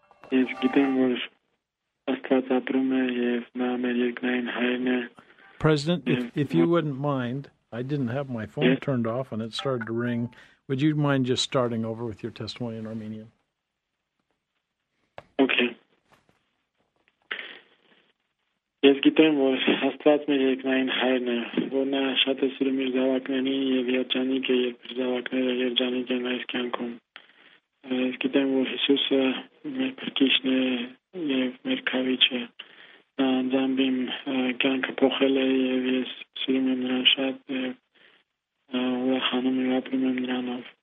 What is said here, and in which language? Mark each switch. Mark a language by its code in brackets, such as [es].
[hy] Ես գիտեմ, Աստված ապրում է եւ նա մեր երկնային հայրն է. [en] President, if you wouldn't mind, I didn't have my phone turned off and it started to ring. Would you mind just starting over with your testimony in Armenian? Okay. [hy] Ես գիտեմ, որ Աստված մեր երկնային հայրն է, որ նա շատ է սիրում իր զավակներին եւ երջանիկ է, երբ իր զավակները երջանիկ են այս կյանքում. Ես գիտեմ, որ Հիսուսը մեր փրկիչն է և մեր քավիչը, նա անձամբ իմ կյանքը փոխել է, և ես սիրում եմ նրան շատ, և ուրախանում եմ, ապրում եմ նրանով.